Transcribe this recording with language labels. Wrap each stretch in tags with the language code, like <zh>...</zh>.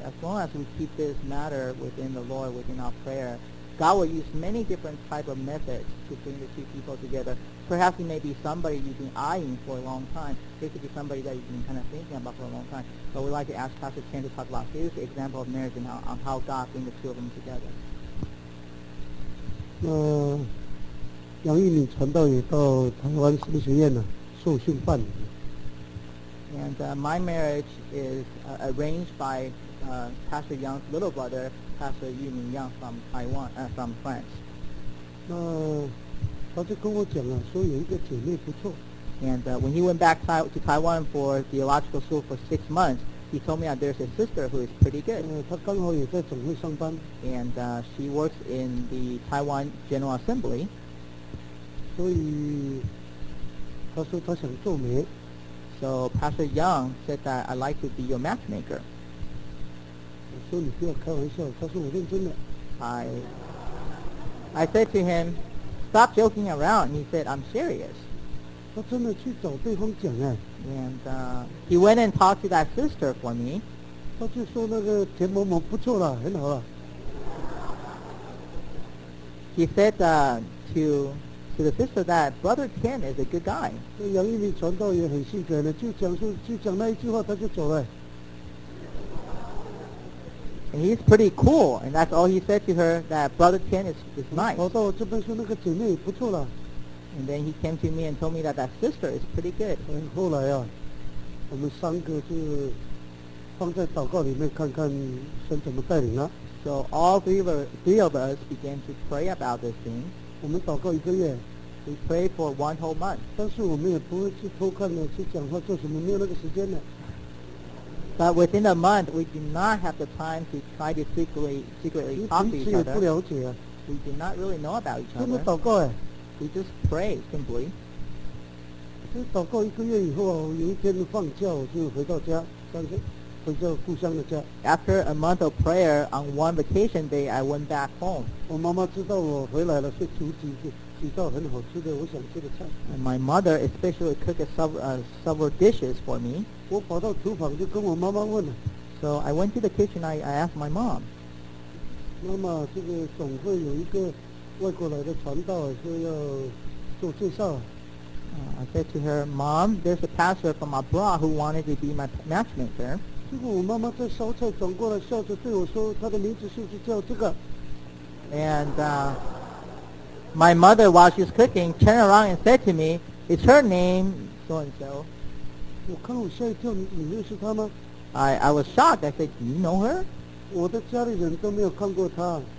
<en>As long as we keep this matter within the Lord, within our prayer, God will use many different type of methods to bring the two people together. Perhaps it may be somebody you've been eyeing for a long time. It could be somebody that you've been kind of thinking about for a long time. But we'd like to ask Pastor Chen to talk about his example of marriage and how God brings the two of them together.</en> <zh>杨玉敏传道也到台湾神学院了，受训半年。</zh> <en>And my marriage is arranged by Pastor Yang's little brother, Pastor Yu Min Yang from Taiwan, from France.</en> <zh>那他就跟我讲了，说有一个姐妹不错。</zh> <en>And when he went back to Taiwan for theological school for 6 months, he told me that there's a sister who is pretty good.</en> <zh>他刚好也在总会上班。</zh> <en>And she works in the Taiwan General Assembly.</en> <zh>所以他说他想做媒。</zh> <en>So Pastor Young said that I'd like to be your matchmaker.</en> <zh>我说你不要开玩笑，他说我认真的。</zh> <en>I said to him, stop joking around. He said, I'm serious.</en> <zh>他真的去找对方讲啊。</zh> <en>And he went and talked to that sister for me.</en> <zh>他就说那个田某某不错了，很好了。</zh> <en>He said to the sister that Brother Tian is a good guy.</en> <zh>那杨一鸣传道也很性格呢，就讲那一句话他就走了。</zh> <en>And he's pretty cool, and that's all he said to her, that Brother Tian is nice.</en> <zh>跑到我这边说那个姐妹不错了。</zh> <en>And then he came to me and told me that sister is pretty good.</en> <zh>后来啊，我们三个就放在祷告里面看看神怎么带领啊。</zh> <en>So all three of us began to pray about this thing.</en> <zh>我们祷告一个月</zh> <en>We pray for one whole month.</en> <zh>但是我们也不会去偷看的，去讲话做什么，没有那个时间的。</zh> <en>But within a month, we did not have the time to try to secretly talk to each other.</en> <zh>彼此也不了解啊。</zh> <en>We did not really know about each other.</en> <zh>真的祷告哎。</zh> <en>We just pray simply.</en> <zh>就祷告一个月以后啊，有一天放假，我就回到家，回到故乡的家。</zh> <en>After a month of prayer, on one vacation day, I went back home.</en> <zh>我妈妈知道我回来了，是煮几道很好吃的我想吃的菜。</zh> <en>And my mother especially cooked several dishes for me.</en> <zh>我跑到厨房就跟我妈妈问了。</zh> <en>So I went to the kitchen. I asked my mom.</en> <zh>妈妈，这个总会有一个外国来的传道说要做介绍。</zh> <en>I said to her, Mom, there's a pastor from abroad who wanted to be my matchmaker.</en> <zh>结果我妈妈在烧菜，转过来笑着对我说：“她的名字是不是叫这个？”</zh> <en>And my mother, while she's cooking, turned around and said to me, "It's her name, so and so."</en> <zh>我看我吓一跳，你认识她吗</zh> <en>？I was shocked. I said, "Do you know her?"</en> <zh>我的家里人都没有看过她。</zh>